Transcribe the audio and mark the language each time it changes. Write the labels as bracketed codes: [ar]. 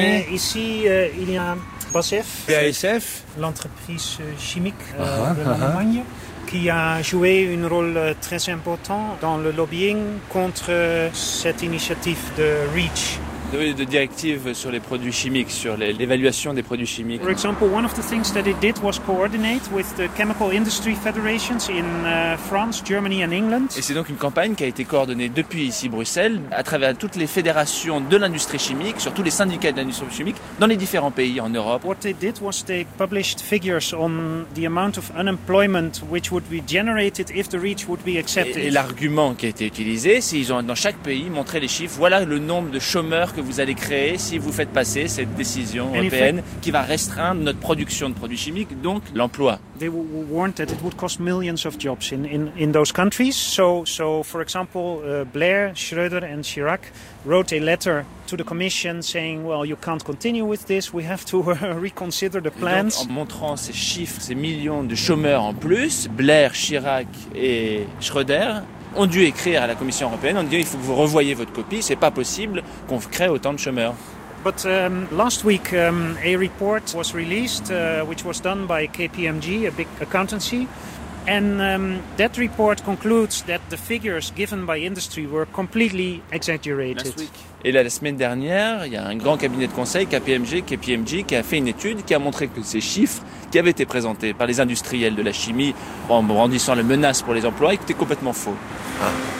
[fr] Mais ici, il y a BASF. BASF. L'entreprise chimique de l'Allemagne, qui a joué un rôle très important dans le lobbying contre cette initiative de REACH. De directive sur les produits chimiques, sur l'évaluation des produits chimiques. [en] For example, one of the things that it did was coordinate with the chemical industry federations in France, Germany and England. [fr] Et c'est donc une campagne qui a été coordonnée depuis ici Bruxelles à travers toutes les fédérations de l'industrie chimique, sur tous les syndicats de l'industrie chimique dans les différents pays en Europe. [en] What they did was they published figures on the amount of unemployment which would be generated if the REACH would be accepted. [fr] Et l'argument qui a été utilisé, c'est ils ont dans chaque pays montré les chiffres, voilà le nombre de chômeurs que vous allez créer si vous faites passer cette décision européenne qui va restreindre notre production de produits chimiques, donc l'emploi. [en] They warned that it would cost millions of jobs in those countries. So for example, Blair, Schröder and Chirac wrote a letter to the commission saying, well, you can't continue with this, we have to reconsider the plans. [fr] Donc, en montrant ces chiffres, ces millions de chômeurs en plus, Blair, Chirac et Schröder ont dû écrire à la Commission européenne en disant il faut que vous revoyiez votre copie, c'est pas possible qu'on crée autant de chômeurs. [en] But last week a report was released which was done by KPMG, a big accountancy, and that report concludes that the figures given by industry were completely exaggerated. [fr] Et là, la semaine dernière, il y a un grand cabinet de conseil KPMG qui a fait une étude qui a montré que ces chiffres qui avaient été présentés par les industriels de la chimie en brandissant la menace pour les emplois étaient complètement faux. Ah.